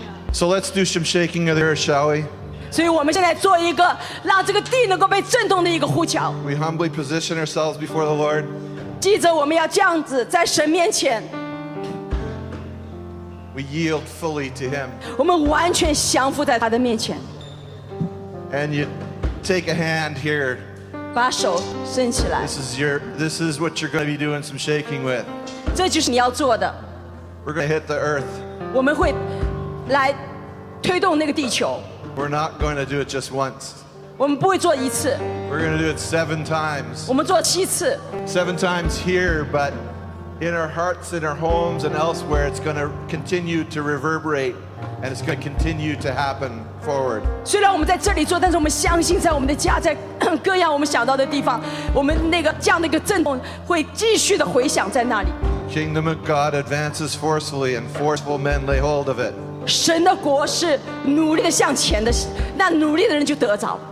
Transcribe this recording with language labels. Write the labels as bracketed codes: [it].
[en] So let's do some shaking of the earth, shall we? [zh] 所以我们现在做一个让这个地能够被震动的一个呼求。 [en] We humbly position ourselves before the Lord. [zh] 记着我们要这样子在神面前。 [en] We yield fully to Him. [zh] 我们完全降服在他的面前。 [en] And you take a hand here. [zh] 把手伸起来。 [en] This is what you're going to be doing some shaking with. [zh] 这就是你要做的。 [en] We're going to hit the earth. [zh] 我们会来推动那个地球。 [en] We're not going to do it just once. [zh] 我们不会做一次。 [en] We're going to do it 7 times. [zh] 我们做7次。 [en] 7 times here, but in our hearts, in our homes, and elsewhere, it's going to continue to reverberate, and it's going to continue to happen forward. [zh] 虽然我们在这里做，但是我们相信，在我们的家，在各样我们想到的地方，我们那个这样的一个震动会继续的回响在那里。 [en] Kingdom of God advances forcefully and forceful men lay hold of it. [zh] 神的国是努力的向前的，那努力的人就得着。